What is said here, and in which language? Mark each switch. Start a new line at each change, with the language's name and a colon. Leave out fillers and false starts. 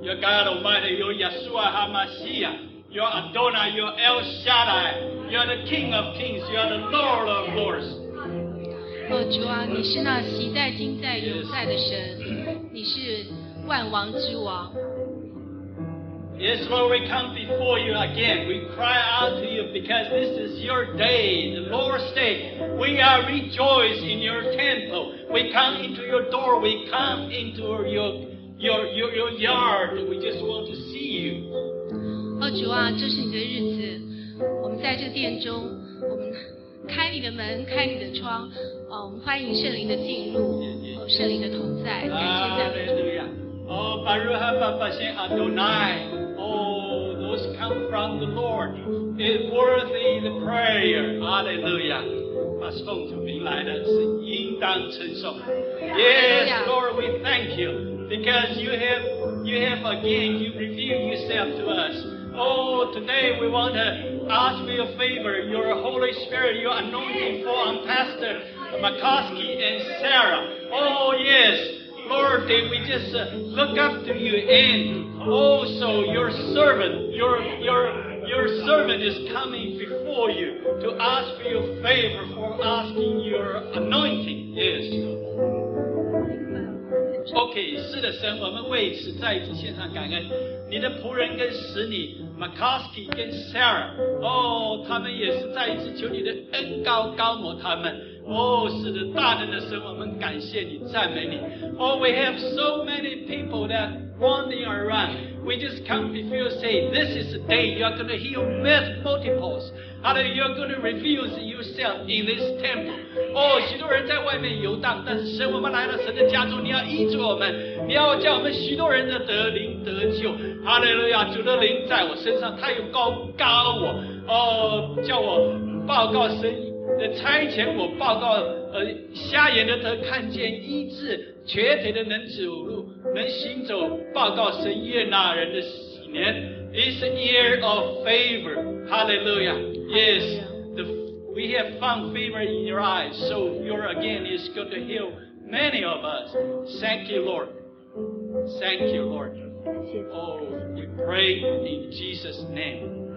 English: You're God Almighty, you're Yeshua HaMashiach, you're Adonai, you're El Shaddai, you're the King of Kings, you're the Lord of Lords.
Chinese: 主啊，你是那昔在、今在、永在的神，你是万王之王。
English: Yes, Lord, we come before you again. We cry out to you because this is your day, the Lord's day. We are rejoiced in your temple. We come into your door. We come into your yard. We just want to see you.
Chinese: 主啊，这是你的日子。我们在这殿中，我们开你的门，开你的窗。我们欢迎圣灵的进入，圣灵的同在，感谢赞美主。
Hebrew: Oh, Baruch HaBashem Adonai.
English: Oh, those come from the Lord. It's worthy the prayer. Hallelujah.
Chinese: 把奉主名来的是应当承受。
English: Yes, Lord, we thank you. Because you have again, you revealed yourself to us. Oh, today we want to ask for your favor, your Holy Spirit, your anointing for our Pastor McCoskey and Sarah. Oh, yes. Lord, then we just look up to you, and also your servant is coming before you to ask for your favor, for asking your anointing. Yes.
Chinese: Okay, 是的，神，我们为此再次献上感恩。你的仆人跟使女 McCoskey 跟 Sarah， 哦，他们也是再次求你的恩膏膏抹他们。 Oh, 是的，大能的神，我们感谢你，赞美你。
English: Oh, we have so many people that wandering around. We just come before you and say, this is the day you are going to heal many multiples. And you are going to reveal yourself in this temple.
Chinese: Oh, 许多人在外面游荡，但是神，我们来到神的家中，你要医治我们，你要叫我们许多人的得灵得救。 Hallelujah, 主的灵在我身上，他有高高我，哦，叫我报告神。差遣我报告，瞎眼的得看见，医治瘸腿的能走路，能行走，报告神悦纳人的喜年。
English: It's a year of favor. Hallelujah. Yes, we have found favor in your eyes, so your again is going to heal many of us. Thank you, Lord. Thank you, Lord. Oh, we pray in Jesus' name.